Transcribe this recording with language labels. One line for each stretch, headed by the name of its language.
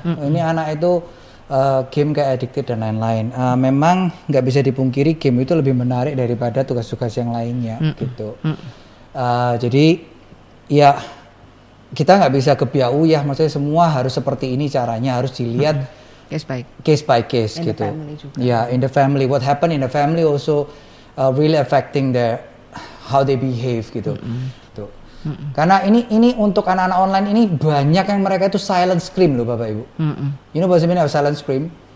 Indonesian: Mm-hmm. Ini anak itu game kayak addicted dan lain-lain. Memang nggak bisa dipungkiri game itu lebih menarik daripada tugas-tugas yang lainnya, mm-hmm. gitu. Mm-hmm. Jadi ya kita nggak bisa kebiau ya, maksudnya semua harus seperti ini caranya, harus dilihat. Mm-hmm.
English: Case by case
Indonesian: in gitu.
English: Ya, yeah, in the family, what happened in the family also really affecting their how they behave gitu. Mm-hmm. Gitu. Mm-hmm.
Indonesian: Karena ini untuk anak-anak online ini banyak yang mereka itu silent scream loh Bapak Ibu.
English: Mm-hmm. You know what I mean of silent scream?